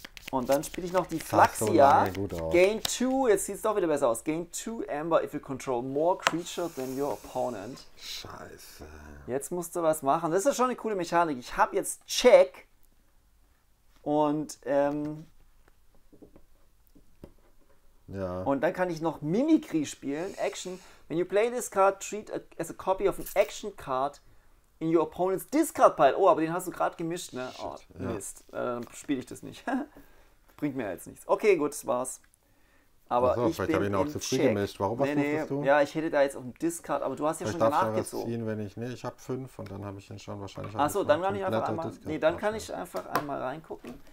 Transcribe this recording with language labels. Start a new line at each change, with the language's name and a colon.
German: Und dann spiele ich noch die Flaxia. Gain 2, jetzt sieht es doch wieder besser aus.
English: Gain 2 Ember if you control more creature than your opponent.
German: Scheiße. Jetzt musst du was machen. Das ist schon eine coole Mechanik. Ich habe jetzt Check. Und ja. Und dann kann ich noch Mimikry spielen. Action.
English: When you play this card, treat it as a copy of an action card in your opponent's discard pile.
German: Oh, aber den hast du gerade gemischt, ne? Oh, Mist. Ja. Dann spiele ich das nicht. Bringt mir jetzt nichts. Okay, gut, das war's. Aber also, vielleicht habe ich ihn auch zu früh gemischt. Warum hast du? Ja, ich hätte da jetzt auf dem Discard, aber du hast ja schon danach gezogen. Ich darf ziehen, wenn ich... Nee, ich habe fünf und dann habe ich ihn schon wahrscheinlich... Achso, dann kann ich einfach einmal... Nee, dann kann ich einfach einmal reingucken.